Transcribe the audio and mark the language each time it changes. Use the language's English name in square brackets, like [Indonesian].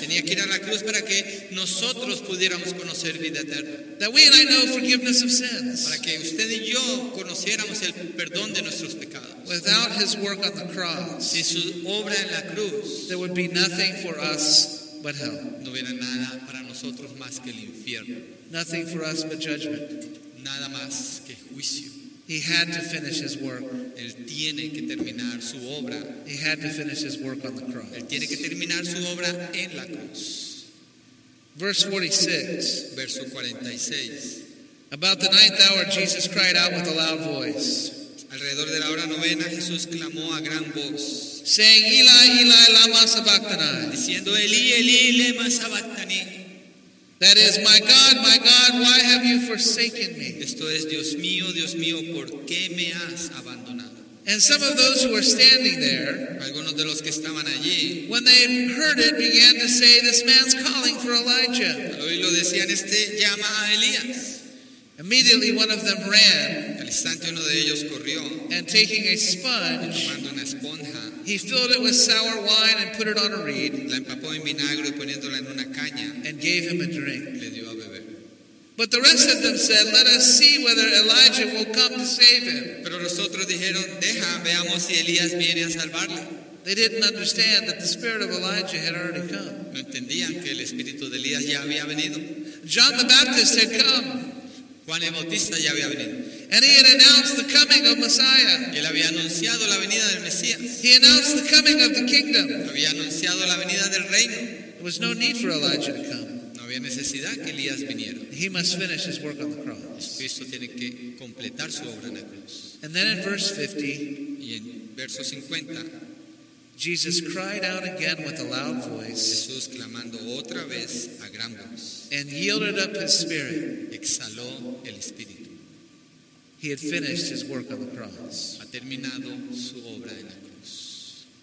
[Spanish] Tenía que ir a la cruz para que nosotros pudiéramos conocer vida eterna. [English] That we and I know forgiveness of sins. [Spanish] Para que usted y yo conociéramos el perdón de nuestros pecados. [English] Without his work on the cross, [Spanish] sin su obra en la cruz, [English] there would be nothing for us but hell. [Spanish] No hubiera nada para nosotros más que el infierno. [English] Nothing for us but judgment. [Spanish] Nada más que juicio. [English] He had to finish his work. [Spanish] Él tiene que terminar su obra. [English] He had to finish his work on the cross. [Spanish] Él tiene que terminar su obra en la cruz. [English] Verse 46. [Spanish] Verso 46. [English] About the ninth hour, Jesus cried out with a loud voice. [Spanish] Alrededor de la hora novena, Jesús clamó a gran voz. [English] Saying, [Aramaic] Eli, Eli, lama sabachthani. [Spanish] Diciendo, [Aramaic] Eli, Eli, lama sabachthani. [English] That is, my God, why have you forsaken me? [Spanish] Esto es, Dios mío, ¿por qué me has abandonado? [English] And some of those who were standing there, [Spanish] algunos de los que estaban allí, [English] when they heard it, began to say, this man's calling for Elijah. [Spanish] Al oírlo decían, este llama a Elías. [English] Immediately one of them ran, [Spanish] al instante uno de ellos corrió, [English] and taking a sponge, [Spanish] tomando una esponja, [English] he filled it with sour wine and put it on a reed, [Spanish] la empapó en vinagre poniéndola en una caña, [English] and gave him a drink. [Spanish] Le dio a beber. [English] But the rest of them said, let us see whether Elijah will come to save him. [Spanish] Pero los otros dijeron, deja, veamos si Elías viene a salvarle. [English] They didn't understand that the spirit of Elijah had already come. [Spanish] No entendían que el espíritu de Elías ya había venido. [English] John the Baptist had come. [Spanish] Juan el Bautista ya había venido. [English] And he had announced the coming of Messiah. [Spanish] Y él había anunciado la venida del Mesías. [English] He announced the coming of the kingdom. [Spanish] Había anunciado la venida del reino. [English] There was no need for Elijah to come. [Spanish] No había necesidad que Elías viniera. [English] He must finish his work on the cross. [Spanish] Jesucristo tiene que completar su obra en la cruz. [English] And then in verse 50, [Spanish] y en verso 50, [English] Jesus cried out again with a loud voice. [Spanish] Jesús clamando otra vez a gran voz. [English] And yielded up his spirit. [Spanish] Exhaló el espíritu. [English] He had finished his work on the cross. [Spanish] Ha terminado su obra en la cruz.